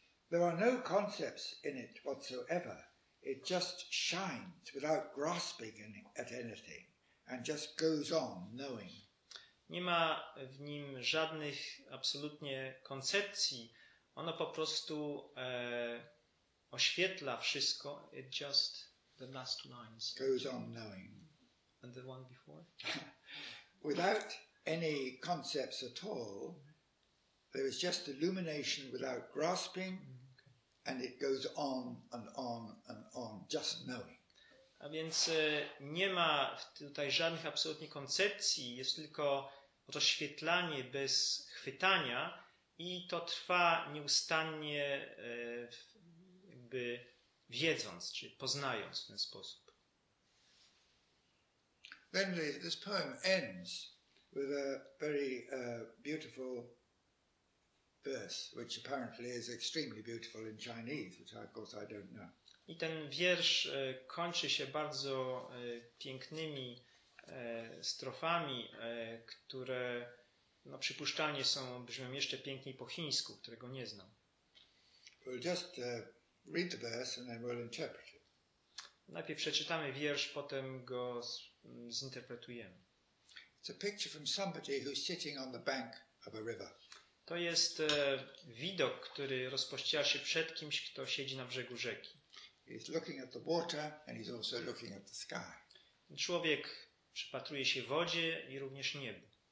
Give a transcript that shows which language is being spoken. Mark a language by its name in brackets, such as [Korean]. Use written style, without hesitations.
[English] There are no concepts in it whatsoever. It just shines without grasping at anything and just goes on knowing. [Polish] Nie ma w nim żadnych absolutnie koncepcji. Ono po prostu oświetla wszystko. [English] It just the last lines. Goes on knowing. And the one before? Without any concepts at all, there is just illumination without grasping, and it goes on and on and on, just knowing. [Polish] A więc nie ma tutaj żadnych absolutnie koncepcji, jest tylko rozświetlanie bez chwytania i to trwa nieustannie jakby wiedząc, czy poznając w ten sposób. [English] Then this poem ends with a very beautiful verse, which apparently is extremely beautiful in Chinese, which of course I don't know. [Polish] I ten wiersz kończy się bardzo pięknymi strofami, które no, przypuszczalnie są, brzmią jeszcze piękniej po chińsku, którego nie znam. [English] We'll just read the verse and then we'll interpret it. [Polish] Najpierw przeczytamy wiersz, potem go zinterpretujemy. [English] It's a picture from somebody who's sitting on the bank of a river. [Polish] To jest widok, który rozpościera się przed kimś, kto siedzi na brzegu rzeki. [English] He's looking at the water and he's also looking at the sky. [Polish] Człowiek przypatruje się wodzie i również niebu.